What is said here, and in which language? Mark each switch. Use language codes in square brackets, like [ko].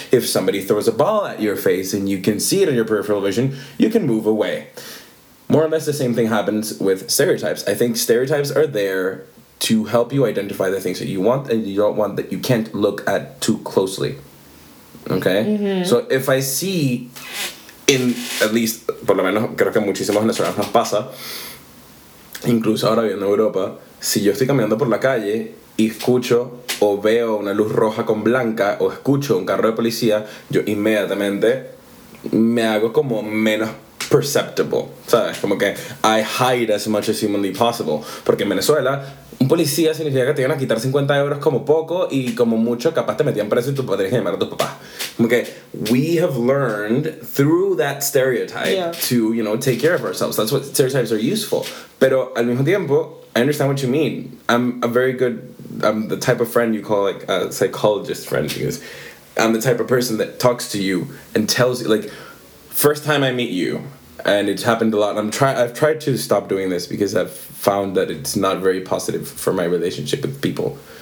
[en] If somebody throws a ball at your face and you can see it on your peripheral vision, you can move away. More or less the same thing happens with stereotypes. I think stereotypes are there to help you identify the things that you want and you don't want that you can't look at too closely. Okay? Mm-hmm. So if I see in at least, [es] por lo menos creo que muchísimos venezolanos nos pasa, incluso ahora viendo Europa, si yo estoy caminando por la calle y escucho o veo una luz roja con blanca o escucho un carro de policía, yo inmediatamente me hago como menos perceptible, ¿sabes? Como que [en] I hide as much as humanly possible. [es] Porque en Venezuela, un policía significa que te iban a quitar 50 euros como poco y como mucho capaz te metían preso y tú podrías llamar a tus papás. Como que [en] we have learned through that stereotype to, you know, take care of ourselves. That's what stereotypes are useful. [es] Pero al mismo tiempo, [en] I understand what you mean. I'm the type of friend you call like a psychologist friend because I'm the type of person that talks to you and tells you, like, first time I meet you, and it's happened a lot, and I've tried to stop doing this because I've found that it's not very positive for my relationship with people.